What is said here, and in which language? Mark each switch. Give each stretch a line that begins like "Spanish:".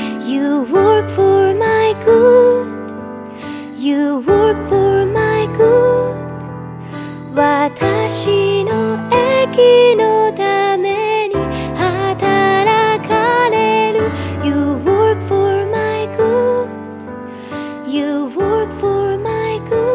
English: You work for my good, You work for my good.
Japanese: 私の益のために働かれる。
English: You work for my good, You work for my good.